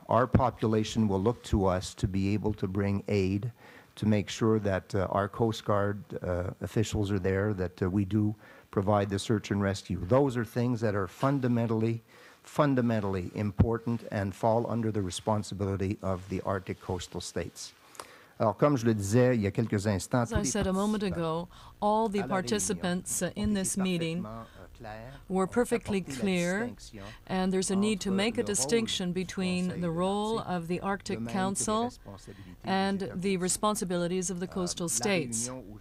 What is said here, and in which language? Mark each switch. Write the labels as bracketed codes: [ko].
[en] Our population will look to us to be able to bring aid, to make sure that our Coast Guard officials are there, that we do provide the search and rescue. Those are things that are fundamentally, fundamentally important and fall under the responsibility of the Arctic coastal states. [fr] Alors, comme je le disais, il y a quelques instants, [en] as I said a moment ago, all the participants in this meeting were perfectly clear, and there's a need to make a distinction between the role of the Arctic Council and the responsibilities of the coastal states.